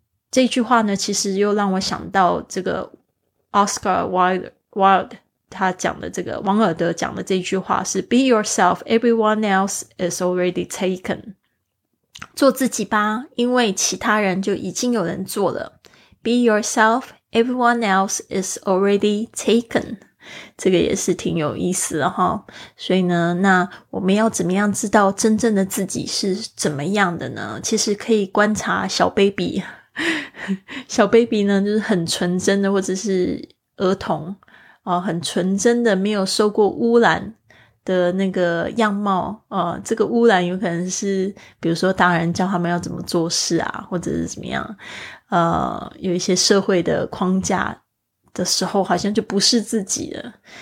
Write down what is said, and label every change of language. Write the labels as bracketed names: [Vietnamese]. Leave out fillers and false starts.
[Chinese] 这句话呢，其实又让我想到这个 Oscar Wilde 他讲的这个王尔德讲的这句话是 [English] Be yourself, everyone else is already taken。 [Chinese] 做自己吧，因为其他人就已经有人做了。 [English] Be yourself, everyone else is already taken。 [Chinese] 这个也是挺有意思的哈。所以呢，那我们要怎么样知道真正的自己是怎么样的呢？其实可以观察小 baby。小 baby 呢，就是很纯真的，或者是儿童，很纯真的，没有受过污染的那个样貌，这个污染有可能是比如说大人教他们要怎么做事啊，或者是怎么样，有一些社会的框架的时候，好像就不是自己了。